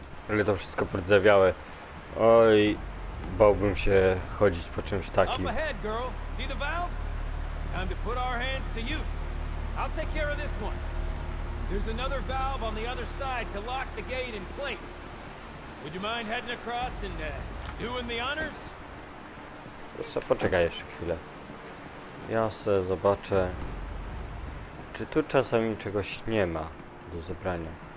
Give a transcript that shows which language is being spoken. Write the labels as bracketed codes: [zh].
[pl] Ale to wszystko podzawiałe. Oj, bałbym się chodzić po czymś takim. [en] Up ahead, girl. See the valve? Time to put our hands to use. I'll take care of this one. There's another valve on the other side to lock the gate in place. Would you mind heading across and doing the honors? [pl] Proszę, poczekaj jeszcze chwilę. Ja sobie zobaczę, czy tu czasami czegoś nie ma do zebrania.